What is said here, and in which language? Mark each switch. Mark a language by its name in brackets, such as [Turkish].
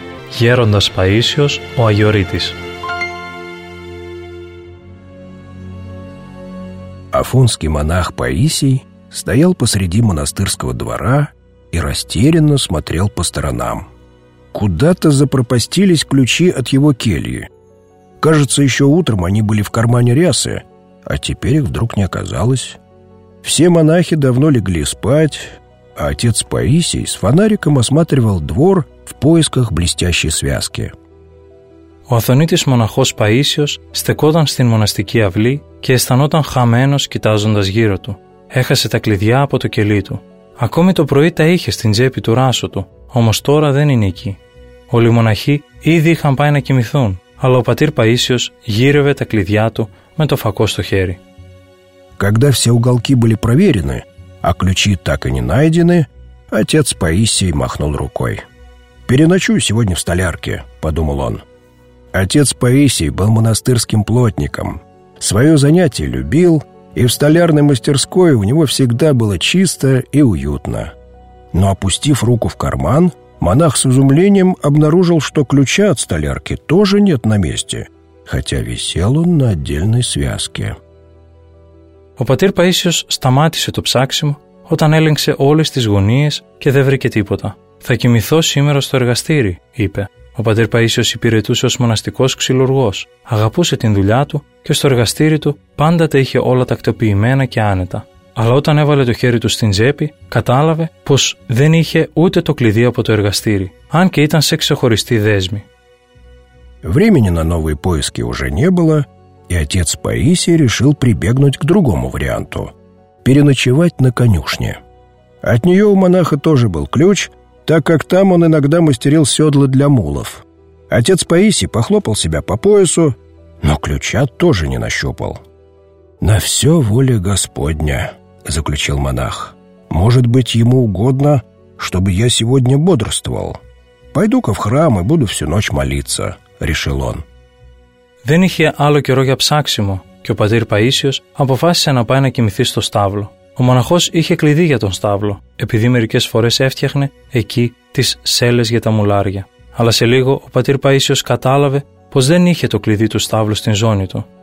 [Greek] Γέροντας Παΐσιος ο Αγιορείτης. [Russian] Афонский монах Паисий стоял посреди монастырского двора и растерянно смотрел по сторонам. Куда-то запропастились ключи от его кельи. Кажется, еще утром они были в кармане рясы, а теперь их вдруг не оказалось. Все монахи давно легли спать, а отец Паисий с фонариком осматривал двор в поисках блестящей связки. [Greek] Ο Αθωνίτης μοναχός Παΐσιος στεκόταν στην μοναστική αυλή και αισθανόταν χαμένος κοιτάζοντας γύρω του. Έχασε τα κλειδιά από το κελί του. Ακόμη το πρωί τα είχε στην τσέπη του ράσου του, όμως τώρα δεν είναι εκεί. Όλοι οι μοναχοί ήδη είχαν πάει να κοιμηθούν, αλλά ο πατήρ Παΐσιος γύρευε τα κλειδιά του με το φακό στο χέρι. [Russian] Когда все уголки были проверены, а ключи так и не найдены, отец Паисий махнул рукой. «Переночую сегодня в столярке», — подумал он. Отец Паисий был монастырским плотником. Свое занятие любил, и в столярной мастерской у него всегда было чисто и уютно. Но опустив руку в карман, Монах с изумлением обнаружил, что ключа от столярки тоже нет на месте, хотя висел он на отдельной связке. [Greek] Ο πατήρ Παΐσιος σταμάτησε το ψάξιμο όταν έλεγξε όλες τις γωνίες και δεν βρήκε τίποτα. «Θα κοιμηθώ σήμερα στο εργαστήρι», είπε. Ο πατήρ Παΐσιος υπηρετούσε ως μοναστικός ξυλουργός. Αγαπούσε την δουλειά του και στο εργαστήρι του πάντα τα είχε όλα τακτοποιημένα και άνετα. Αλλά όταν έβαλε το χέρι του στην τσέπη, κατάλαβε πως δεν είχε ούτε το κλειδί από το εργαστήρι, αν και ήταν σε ξεχωριστή δέσμη. [Russian] Времени на новые поиски уже не было, и отец Паисий решил прибегнуть к другому варианту – переночевать на конюшне. От нее у монаха тоже был ключ, так как там он иногда мастерил седла для мулов. Отец Паисий похлопал себя по поясу, но ключа тоже не нащупал. «На все воля Господня», – заключил монах. «Может быть, ему угодно, чтобы я сегодня бодрствовал. Пойду-ка в храм и буду всю ночь молиться», – решил он. [Greek] Δεν είχε άλλο καιρό για ψάξιμο και ο πατήρ Παΐσιος αποφάσισε να πάει να κοιμηθεί στο στάβλο. Ο μοναχός είχε κλειδί για τον στάβλο, επειδή μερικές φορές έφτιαχνε εκεί τις σέλες για τα μουλάρια. Αλλά σε λίγο ο πατήρ Παΐσιος κατάλαβε πως δεν είχε το κλειδί του στάβλου στην ζώνη του.